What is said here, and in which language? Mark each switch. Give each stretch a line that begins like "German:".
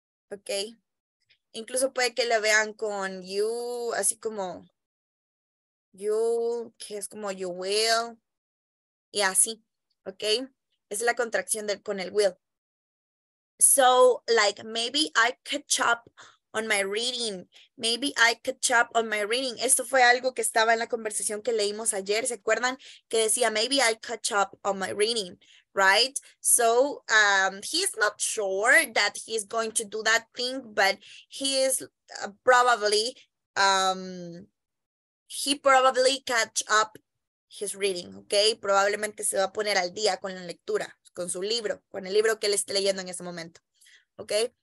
Spanish: Okay? Incluso puede que lo vean con you, así como you, que es como you will, y así.
English: Okay, es la contracción del con el will. So, like, maybe I catch up on my reading.
Spanish: Maybe I catch up on my reading. Esto fue algo que estaba en la conversación que leímos ayer. ¿Se acuerdan? Que decía, maybe I catch up on my reading, right?
English: So, he's not sure that he's going to do that thing, but he probably catch up his reading, okay?
Spanish: Probablemente se va a poner al día con la lectura, con su libro, con el libro que él esté leyendo en ese momento, okay?